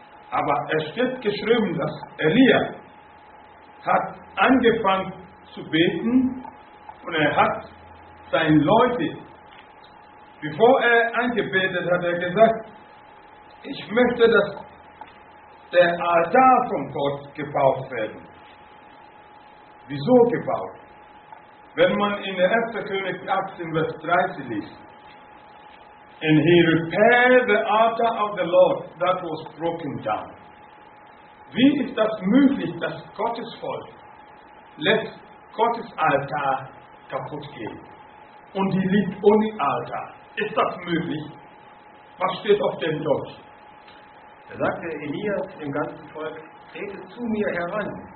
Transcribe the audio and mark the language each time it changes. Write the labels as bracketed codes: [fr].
[de] Aber es steht geschrieben, dass Elia hat angefangen zu beten und er hat seine Leute, bevor er angebetet hat, er gesagt, ich möchte, dass der Altar von Gott gebaut werden. Wieso gebaut? Wenn man in der 1. König 18, Vers 13 liest, [en] and he repaired the altar of the Lord that was broken down. [de] Wie ist das möglich, dass Gottes Volk lässt Gottes Altar kaputt gehen? Und die liegt ohne Altar. Ist das möglich? Was steht auf dem Deutsch? Da sagte Elias dem ganzen Volk, trete zu mir heran.